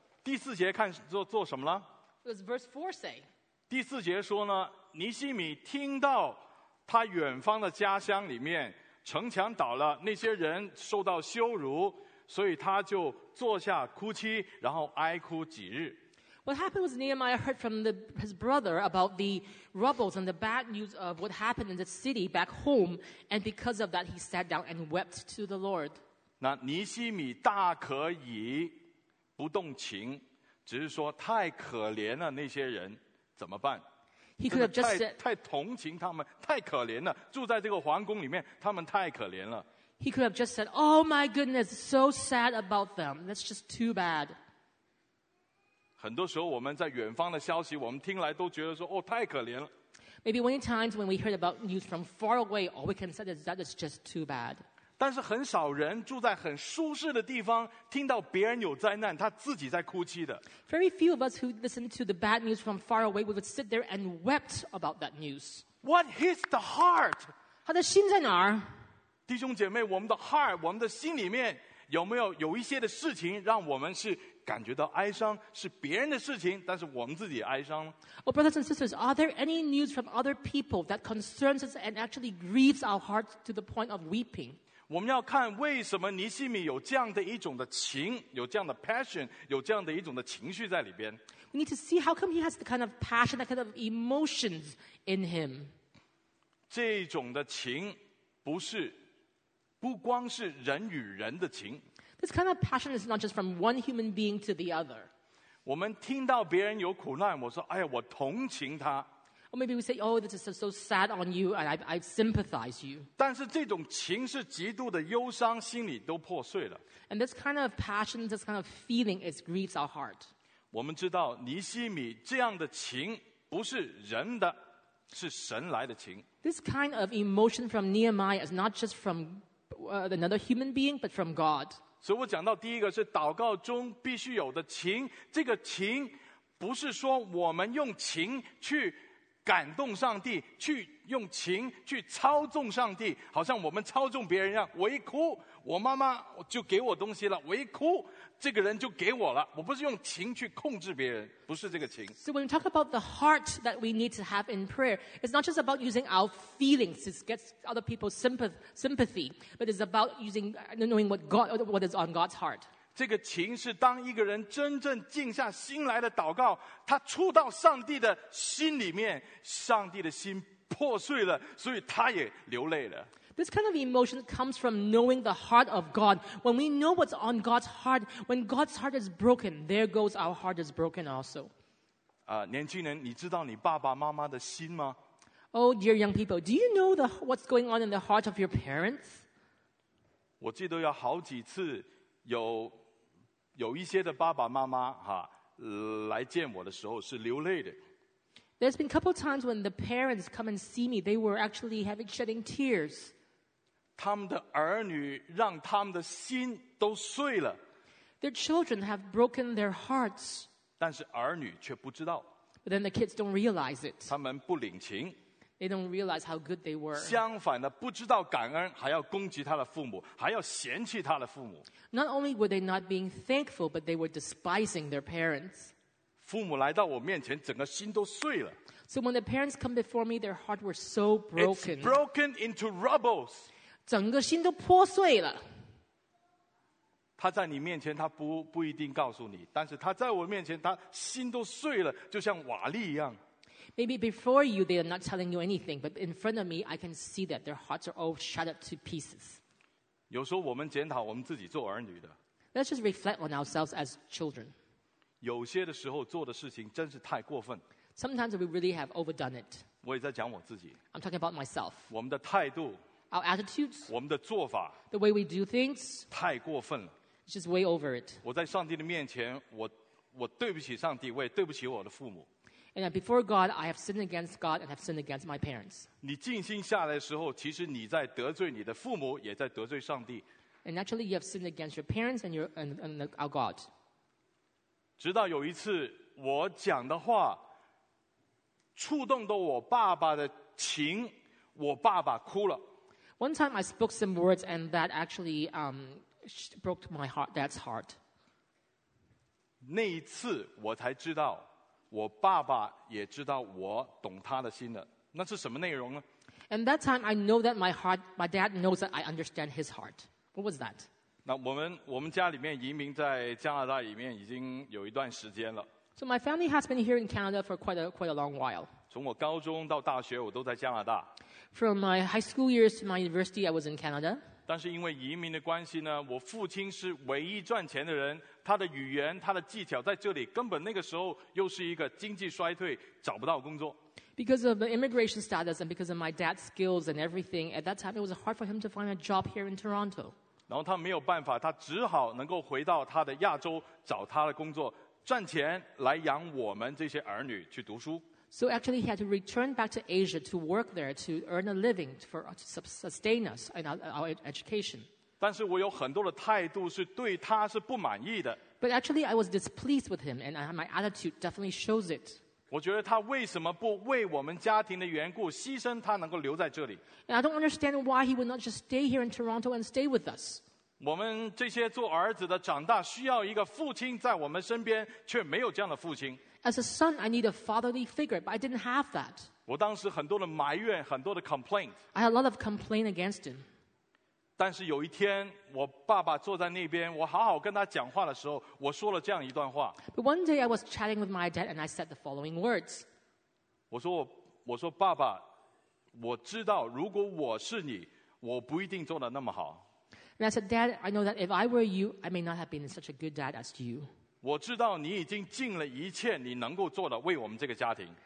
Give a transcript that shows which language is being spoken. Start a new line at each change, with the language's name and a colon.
Chinese: 第四节看做什么了
English: ？What does verse four say?
Chinese: 第四节说呢，尼希米听到他远方的家乡里面城墙倒了，那些人受到羞辱。所以他就坐下哭泣，然后哀哭几日。
English: What happened was Nehemiah heard from his brother about the rubbles and the bad news of what happened in the city back home, and because of that, he sat down and wept to the Lord.
Chinese: 那尼希米大可以不动情，只是说太可怜了那些人，怎么办
English: ？He could have just said,
Chinese: 太同情他们，太可怜了，住在这个皇宫里面，他们太可怜了。
English: He could have just said, Oh my goodness, so sad about them. That's just too bad.
Chinese: 很多时候我们在远方的消息我们听来都觉得说、哦、太可怜了。
English: Maybe many times when we heard about news from far away, all we can say is that it's just too bad.
Chinese: 但是很少人住在很舒适的地方听到别人有灾难他自己在哭泣的。
English: Very few of us who listen to the bad news from far away we would sit there and wept about that news. What hits the heart?
Chinese: 他的心在哪儿弟兄姐妹，我们的 heart， 我们的心里面有没有有一些的事情让我们是感觉到哀伤？是别人的事情，但是我们自己哀伤了。
English: Oh, brothers and sisters, are there any news from other people that concerns us and actually grieves our hearts to the point of weeping?
Chinese: 我们要看为什么尼希米有这样的一种的情，有这样的 passion， 有这样的一种的情绪在里边。
English: We need to see how come he has the kind of passion, that kind of emotions in him.
Chinese: 这种的情不是。不光是人与人的情。
English: This kind of passion is not just from one human being to the other.
Chinese: 我们听到别人有苦难，我说，哎呀，我同情他。
English: Or maybe we say, oh, this is so sad on you, and I sympathize you.
Chinese: 但是这种情是极度的忧伤，心里都破碎了。
English: And this kind of passion, this kind of feeling, it grieves our heart.
Chinese: 我们知道尼希米这样的情不是人的，是神来的情。
English: This kind of emotion from Nehemiah is not just from another human being, but from God.
Chinese: 所以我讲到第一个是祷告中必须有的情，这个情不是说我们用情去感动上帝，去用情去操纵上帝，好像我们操纵别人一样。我一哭，我妈妈就给我东西了，我一哭，这个人就给我了。我不是用情去控制别人，不是这个情。
English: So when we talk about the heart that we need to have in prayer, it's not just about using our feelings to get other people's sympathy, but it's about using knowing what is on God's heart.
Chinese: 这个情是当一个人真正静下心来的祷告，他触到上帝的心里面，上帝的心破碎了，所以他也流泪了。
English: This kind of emotion comes from knowing the heart of God. When we know what's on God's heart, when God's heart is broken, there goes our heart is broken also.
Chinese: 年轻人，你知道你爸爸妈妈的心吗？
English: Oh, dear young people, do you know what's going on in the heart of your parents?
Chinese: 我记得有好几次有一些的爸爸妈妈来见我的时候是流泪的。
English: There's been a couple of times when the parents come and see me, they were actually shedding tears.
Chinese: 他们的儿女让他们的心都碎了。
English: Their children have broken their hearts.
Chinese: 但是儿女却不知道。
English: But then the kids don't realize it.
Chinese: 他们不领情。
English: They don't realize how good they were.
Chinese: 相反的，不知道感恩，还要攻击他的父母，还要嫌弃他的父母。
English: Not only were they not being thankful, but they were despising their parents.
Chinese: 父母来到我面前，整个心都碎了。
English: So when the parents come before me, their heart were so broken. It's broken into rubbles.
Chinese: 整个心都破碎了。他在你面前，他不一定告诉你，但是他在我面前，他心都碎了，就像瓦砾一样。
English: Maybe before you, they are not telling you anything, but in front of me, I can see that their hearts are all shattered to pieces.
Chinese: 有时候我们检讨我们自己做儿女的。
English: Let's just reflect on ourselves as children.
Chinese: 有些的时候做的事情真是太过分。
English: Sometimes we really have overdone it.
Chinese: 我也在讲我自己。
English: I'm talking about myself.
Chinese: 我们的态度。
English: Our attitudes.
Chinese: 我们的做法。
English: The way we do things.
Chinese: 太过分了。
English: It's just way over it.
Chinese: 我在上帝的面前，我对不起上帝，我也对不起我的父母。
English: And before God, I have sinned against God and have sinned against my parents.
Chinese: 你静心下来的时候，其实你在得罪你的父母，也在得罪上帝。
English: And actually, you have sinned against your parents and our God.
Chinese: 直到有一次我讲的话触动到我爸爸的情，我爸爸哭了。
English: One time I spoke some words and that actually broke my heart, dad's heart.
Chinese: 那一次我才知道我爸爸也知道我懂他的心了。那是什么内容呢？
English: And that time I know that my dad knows that I understand his heart. What was that?
Chinese: 那我们家里面移民在加拿大里面已经有一段时间了。
English: So my family has been here in Canada for quite a long while.
Chinese: 从我高中到大学，我都在加拿大。
English: From my high school years to my university, I was in Canada.
Chinese: 但是因为移民的关系呢，我父亲是唯一赚钱的人，他的语言、他的技巧在这里根本那个时候又是一个经济衰退，找不到工作。
English: Because of the immigration status and because of my dad's skills and everything, at that time it was hard for him to find a job here in Toronto.
Chinese: 然后他没有办法，他只好能够回到他的亚洲找他的工作，赚钱来养我们这些儿女去读书。
English: So actually, he had to return back to Asia to work there to earn a living for to sustain us and our education.
Chinese: 但是我有很多的态度是对他是不满意的。
English: But actually, I was displeased with him, and my attitude definitely shows it.
Chinese: 我觉得他为什么不为我们家庭的缘故牺牲他能够留在这里。
English: And I don't understand why he would not just stay here in Toronto and stay with us.
Chinese: 我们这些做儿子的长大需要一个父亲在我们身边，却没有这样的父亲。
English: As a son, I need a fatherly figure, but I didn't have that.
Chinese: 我当时很多的埋怨，很多的 complaint.
English: I had a lot of complaint against him.
Chinese: 但是有一天，我爸爸坐在那边，我好好跟他讲话的时候，我说了这样一段话。
English: But one day I was chatting with my dad and I said the following words.
Chinese: 我说爸爸，我知道如果我是你，我不一定做得那么好。
English: And I said, Dad, I know that if I were you, I may not have been such a good dad as you.
Chinese: 我知道你已经尽了一切你能够做的为我们这个家庭。